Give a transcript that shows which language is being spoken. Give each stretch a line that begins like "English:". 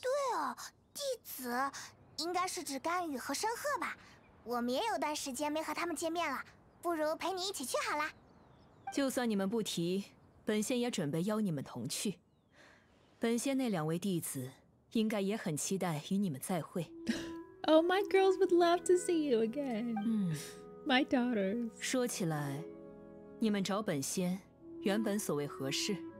Chinese: 对哦，弟子应该是指甘雨和申鹤吧？我们也有段时间没和他们见面了，不如陪你一起去好了。就算你们不提，本仙也准备邀你们同去。本仙那两位弟子应该也很期待与你们再会。Oh,
English: my girls would love to see you again. My daughters.
Chinese: 说起来，你们找本仙，原本所谓何事？